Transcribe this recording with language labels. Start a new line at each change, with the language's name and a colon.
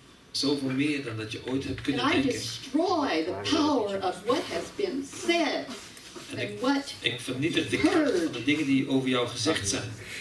Dutch: Zoveel meer dan dat je ooit hebt kunnen denken.
English: I destroy the power of what has been said.
Dutch: En ik vernietig de kracht van de dingen die over jou gezegd zijn.